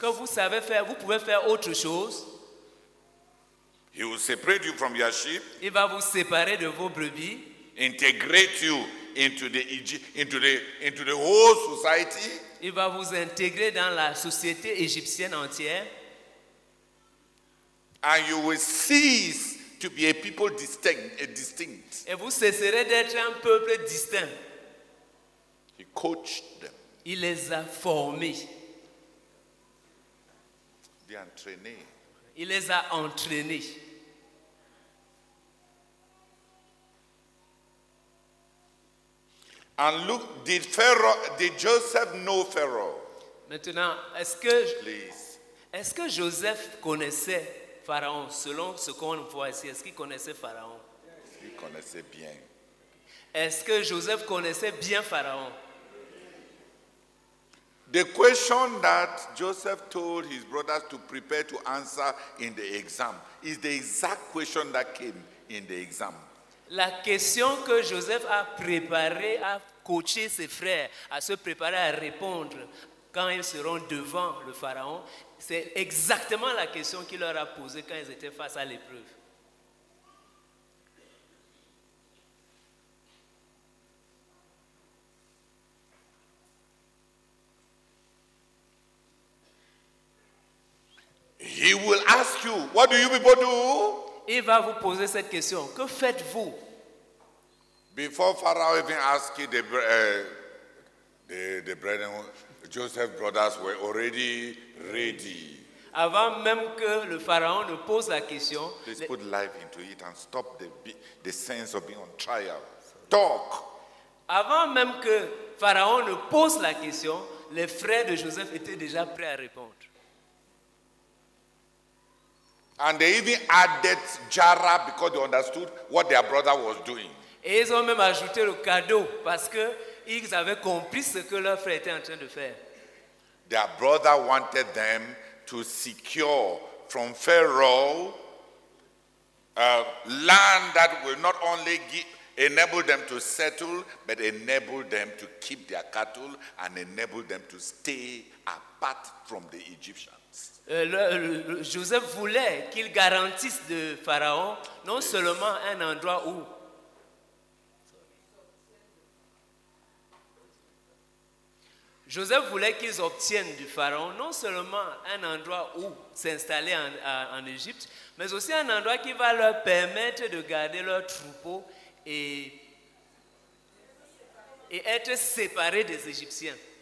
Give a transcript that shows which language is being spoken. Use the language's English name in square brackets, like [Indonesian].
[French] Que vous savez faire, vous pouvez faire autre chose. [English] He will separate you from your sheep. [French] Il va vous séparer de vos brebis. [English] Integrate you into the whole society. [French] Il va vous intégrer dans la société égyptienne entière. [English] And you will cease to be a people distinct. [French] Et vous cesserez d'être un peuple distinct. [English] He coached them. [French] Il les a formés. [English] They [French] entraînés. Il les a entraînés. [English] And look, did Pharaoh, did Joseph know Pharaoh? [French] Maintenant, est-ce que Joseph connaissait Pharaon, selon ce qu'on voit ici, est-ce qu'il connaissait Pharaon? Il connaissait bien. Est-ce que Joseph connaissait bien Pharaon? [English] The question that Joseph told his brothers to prepare to answer in the exam is the exact question that came in the exam. [French] La question que Joseph a préparée, a coaché ses frères à se préparer à répondre quand ils seront devant le Pharaon, c'est exactement la question qu'il leur a posée quand ils étaient face à l'épreuve. [English] He will ask you, what do you people do? [French] Il va vous poser cette question, que faites-vous? [English] Before Pharaoh even asked it, the brethren, Joseph's brothers were already ready. [French] Avant même que le pharaon ne pose la question, [English] please put life into it and stop the sense of being on trial. Talk. [French] Avant même que pharaon ne pose la question, les frères de Joseph étaient déjà prêts à répondre. [English] And they even added Jara because they understood what their brother was doing. [French] Et ils ont même ajouté le cadeau parce qu'ils avaient compris ce que leur frère était en train de faire. [English] Their brother wanted them to secure from Pharaoh land that will not only enable them to settle, but enable them to keep their cattle and enable them to stay apart from the Egyptians. [French] Joseph voulait qu'il garantisse de Pharaon non seulement un endroit où. Joseph voulait qu'ils obtiennent du Pharaon non seulement un endroit où s'installer en Égypte, mais aussi un endroit qui va leur permettre de garder leurs troupeaux et être séparés des Égyptiens.